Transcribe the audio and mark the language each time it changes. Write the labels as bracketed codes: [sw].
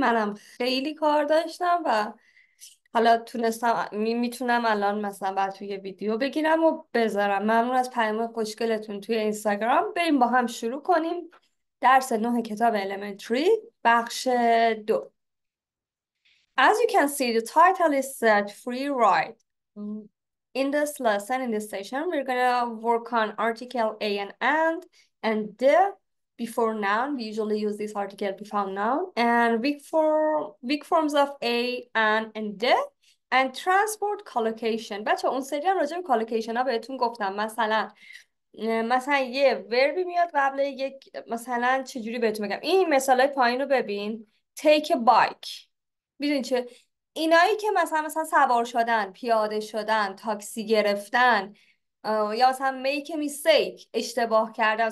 [fa] منم خیلی کار داشتم و حالا تونستم میتونم الان مثلا بعد توی ویدیو بگیرم و بذارم. ممنون از پیام خوشگلتون توی اینستاگرام. بریم با هم شروع کنیم درس 9 کتاب المنتری بخش 2. [en] As you can see, the title is set free ride. In this lesson, in this session, we're going to work on article A and the before noun. We usually use this article before noun and weak forms of A and the and transport collocation. [fa] بچه اون سریع راجع به collocation ها بهتون گفتم. مثلا یه وربی میاد قبل یک، مثلا چجوری بهتون بگم. این مثال های پایین رو ببین. [en] Take a bike. [fa] میدونی چه؟ اینایی که مثلا سوار شدن، پیاده شدن، تاکسی گرفتن، یا مثلا [en] make a mistake، [fa] اشتباه کرده.